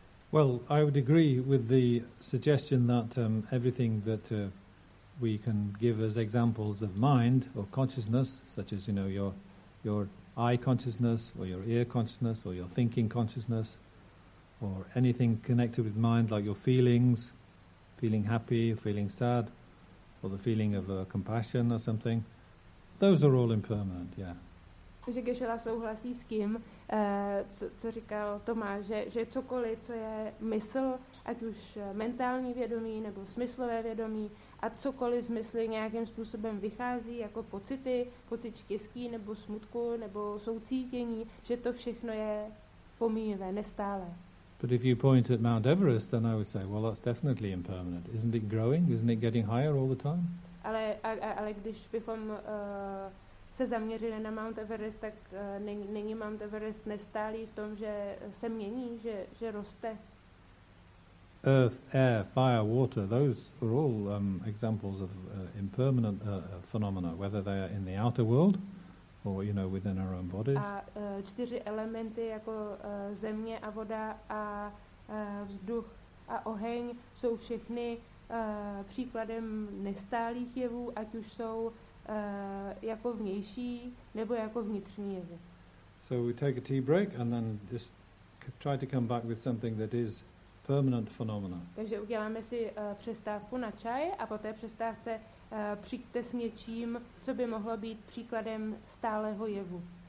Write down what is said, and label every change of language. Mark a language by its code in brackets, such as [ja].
[en] Well, I would agree with the suggestion that everything that we can give as examples of mind or consciousness, such as, you know, your eye consciousness or your ear consciousness or your thinking consciousness or anything connected with mind like your feelings, feeling happy, feeling sad, or the feeling of compassion or something, those are all impermanent, yeah. [cs] Že Geshe-la souhlasí s tím, co říkal Tomáš, že cokoliv, co je mysl, ať už mentální vědomí nebo smyslové vědomí, a cokoliv z mysli nějakým způsobem vychází, jako pocity, pocit štěstí nebo smutku nebo soucítění, že to všechno je pomíjivé, nestálé. [en] But if you point at Mount Everest, then I would say, well, that's definitely impermanent. Isn't it growing? Isn't it getting higher all the time? [cs] Ale když bychom se zaměřili na Mount Everest, tak není Mount Everest nestálý v tom, že se mění, že roste. [en] Earth, air, fire, water, those are all examples of impermanent phenomena, whether they are in the outer world or, you know, within our own bodies. [cs] A čtyři elementy jako země a voda a vzduch a oheň jsou všechny příkladem nestálých jevů, ať už jsou jako vnější nebo jako vnitřní jevy. [en] So we take a tea break and then just try to come back with something that is permanent phenomena. [cs] Takže uděláme si přestávku na čaj a po té přestávce přijďte s něčím, co by mohlo být příkladem stálého jevu.